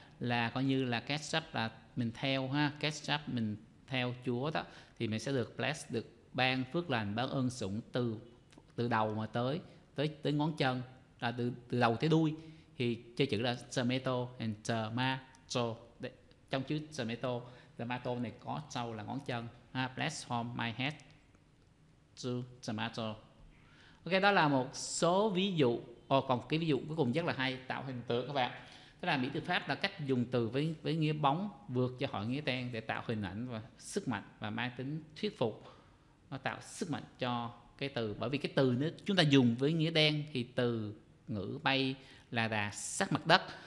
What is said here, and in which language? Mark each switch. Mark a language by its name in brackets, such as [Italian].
[Vietnamese] Là coi như là ketchup là mình theo ha, ketchup mình theo Chúa đó. Thì mình sẽ được bless, được ban phước lành, ban ơn sủng từ đầu mà tới ngón chân. Là từ đầu tới đuôi thì chơi chữ là [English] tomato and tomato. [Vietnamese] Trong chữ tomato, tomato này có sâu là ngón chân. [English] Bless from my head to tomato. [Vietnamese] Ok, đó là một số ví dụ. Còn cái ví dụ cuối cùng rất là hay, tạo hình tượng các bạn. Tức là Mỹ từ Pháp là cách dùng từ với nghĩa bóng vượt cho khỏi nghĩa đen để tạo hình ảnh và sức mạnh và mang tính thuyết phục. Nó tạo sức mạnh cho cái từ. Bởi vì cái từ nữa, chúng ta dùng với nghĩa đen thì từ ngữ bay là đà sát mặt đất.